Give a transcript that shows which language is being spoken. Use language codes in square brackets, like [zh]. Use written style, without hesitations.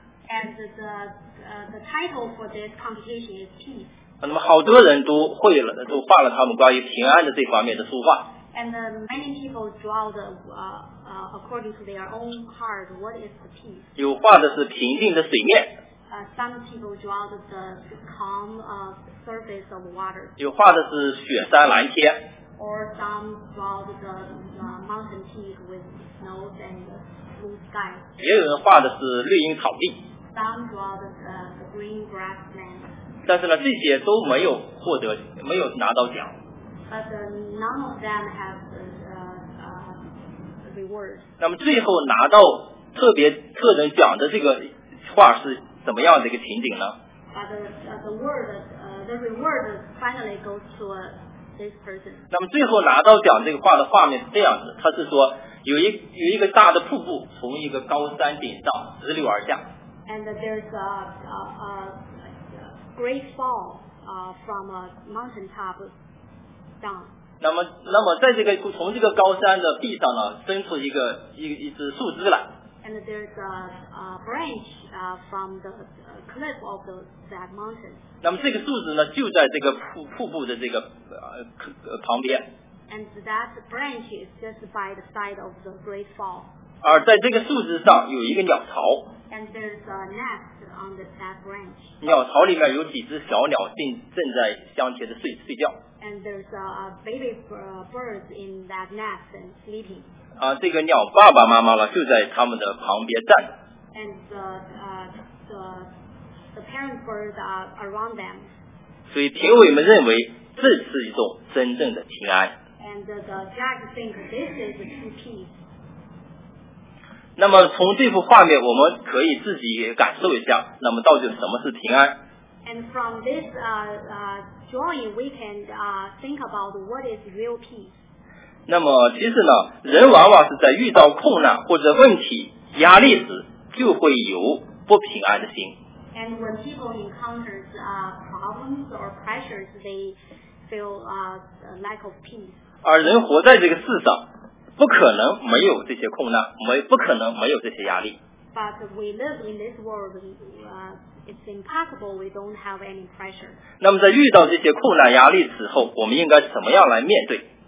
[en] And the title for this competition is peace. [zh] 那么好多人都会了，都画了他们关于平安的这方面的书画。 [en] And many people draw the according to their own heart, what is the peace? [zh] 有画的是平静的水面。 [en] Some people draw the calm surface of water. [zh] 有画的是雪山蓝天。 [en] Or some draw the mountain peak with snows and blue sky. [zh] 别人画的是绿荫草地。 [en] Some draw the green grassland. [zh] 但是呢，这些都没有获得，没有拿到奖。 [en] But none of them have reward. [zh] 那么最后拿到特人奖的这个画是怎么样的一个情景呢？ [en] But the reward finally goes to a [zh] 那么最后拿到奖这个画的画面是这样子，他是说有一个大的瀑布从一个高山顶上直流而下。 [en] And there's a great fall from a mountain top down. [zh] 那么在这个从这个高山的壁上呢，伸出一只树枝来。 [en] And there's a branch from the cliff of that mountain. [zh] 那么这个树枝呢，就在这个瀑布的这个旁边。 [en] And that branch is just by the side of the great fall. [zh] 而在这个树枝上有一个鸟巢。 [en] And there's a nest on that branch. [zh] 鸟巢里面有几只小鸟正在香甜的睡觉。 [en] And there's a baby bird in that nest and sleeping. [zh] 这个鸟爸爸妈妈了就在他们的旁边站着。 [en] And the parent birds are around them. [zh] 所以评委们认为这是一种真正的平安。 [en] And the judge think this is a true peace. [zh] 那么从这幅画面我们可以自己感受一下，那么到底什么是平安。 [en] And from this drawing we can think about what is real peace. [zh] 那么其实呢，人往往是在遇到困难或者问题压力时就会有不平安的心。 [en] And when people encounter problems or pressures, they feel lack of peace. [zh] 而人活在这个世上不可能没有这些困难，不可能没有这些压力。 [en] But we live in this world, it's impossible we don't have any pressure. [zh] 那么在遇到这些困难压力之后，我们应该怎么样来面对？